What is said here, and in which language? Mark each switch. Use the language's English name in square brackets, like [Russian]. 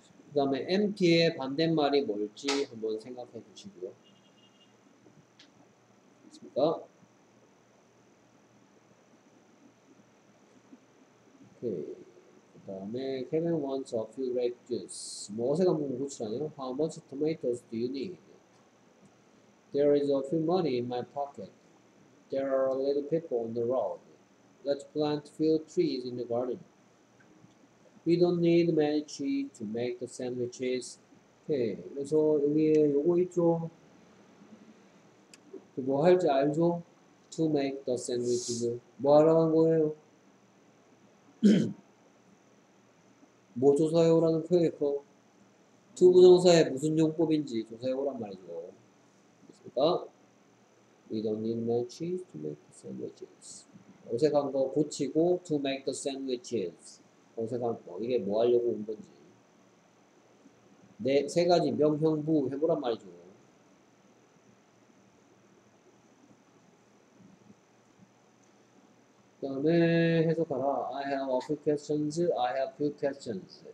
[Korean] 그 다음에 empty의 반대말이 뭘지 한번 생각해 주시고요. 됐습니까? 오케이. 그 다음에 [English] Kevin wants a few grape juice. [Korean] 뭐 어색한 부분 고치라네요. [English] How much tomatoes do you need? There is a few money in my pocket. There are a little people on the road. Let's plant few trees in the garden. We don't need many trees to make the sandwiches. [Korean] 오케이. 그래서 여기에 요거 있죠. 뭐 할지 알죠? [English] To make the sandwiches. [Korean] 뭐 하라는 거예요? 뭐 조사해오라는 표현이고 to 부정사의 무슨 용법인지 조사해오란 말이죠. 됐습니까? [English] We don't need much cheese to make the sandwiches. [Korean] 어색한 거 고치고 [English] to make the sandwiches. [Korean] 어색한 거 이게 뭐 하려고 온 건지 네, 세 가지 명형부 해보란 말이죠. 그 다음에 해석하라. [English] I have a few questions. I have few questions.